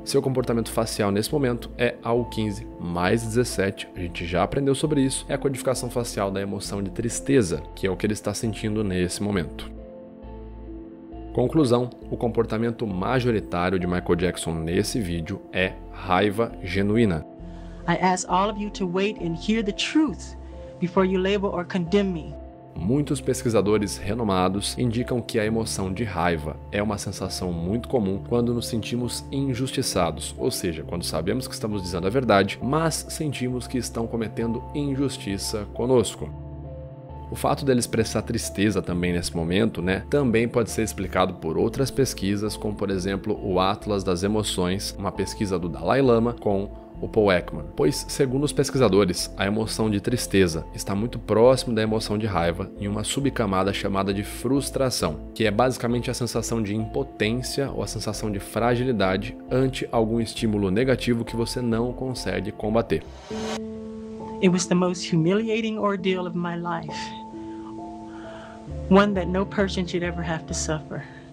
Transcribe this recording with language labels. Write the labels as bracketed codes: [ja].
[pt] Seu comportamento facial nesse momento é AU15 mais 17, a gente já aprendeu sobre isso, é a codificação facial da emoção de tristeza, que é o que ele está sentindo nesse momento. Conclusão, o comportamento majoritário de Michael Jackson nesse vídeo é raiva genuína. [en] I ask all of you to wait and hear the truth before you label or condemn me. [pt] Muitos pesquisadores renomados indicam que a emoção de raiva é uma sensação muito comum quando nos sentimos injustiçados, ou seja, quando sabemos que estamos dizendo a verdade, mas sentimos que estão cometendo injustiça conosco. O fato dele expressar tristeza também nesse momento, né, também pode ser explicado por outras pesquisas, como por exemplo o Atlas das Emoções, uma pesquisa do Dalai Lama com o Paul Ekman, pois, segundo os pesquisadores, a emoção de tristeza está muito próximo da emoção de raiva em uma subcamada chamada de frustração, que é basicamente a sensação de impotência ou a sensação de fragilidade ante algum estímulo negativo que você não consegue combater. [en] It was the most humiliating ordeal of my life. One that no person should ever have to suffer.